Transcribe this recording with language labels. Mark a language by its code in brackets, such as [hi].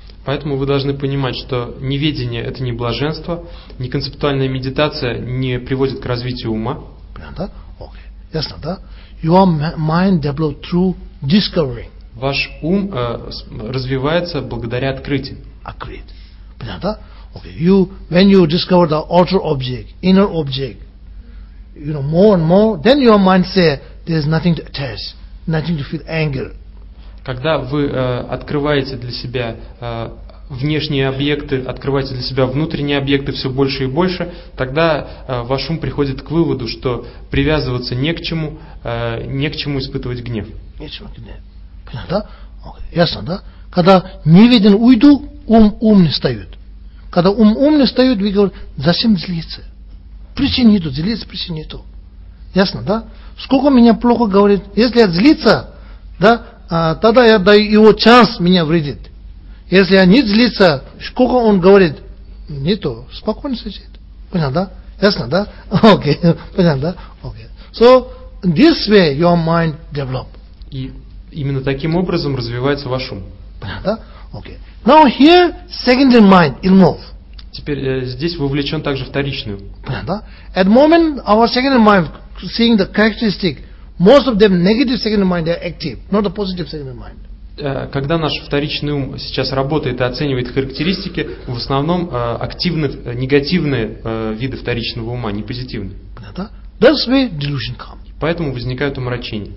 [ru] Поэтому вы должны понимать, что неведение – это не блаженство, неконцептуальная медитация не приводит к развитию ума. Понятно, да? [en] Okay. [ru] Ясно, да? [en] Your mind develops through discovery. [ru] Ваш ум развивается благодаря открытиям. Открыть. Понятно, да? Okay. [en] You, when you discover the outer object, inner object, you know, more and more, then your mind says, there's nothing to attach, nothing to feel anger. [ru] Когда вы открываете для себя внешние объекты, открываете для себя внутренние объекты все больше и больше, тогда ваш ум приходит к выводу, что привязываться не к чему, не к чему испытывать гнев. Нечего гнев. Понятно, да? Okay. Ясно, да? Когда неведен уйду, ум умный встает. Когда ум умный встает, вы говорите, зачем злиться? Причин нету, злиться причин нету. Ясно, да? Сколько меня плохо говорит, если я злиться, да? Тогда я даю его шанс меня вредит. Если я не злится, сколько он говорит, не то, спокойно сидит. Понятно, да? Ясно, да? Окей, понятно, да? Окей. [en] So this way your mind develop. [ru] И именно таким образом развивается ваш ум. [en] Да? Okay. Now here secondary mind involved. [ru] Теперь здесь вовлечен также вторичный. Да? [en] At moment our secondary mind seeing the characteristic, most of them negative secondary mind they are active, not the positive secondary mind. [ru] Когда наш вторичный ум сейчас работает и оценивает характеристики, в основном активны негативные виды вторичного ума, не позитивные. [en] Понятно? That's where delusion comes. [ru] Поэтому возникают умрачения.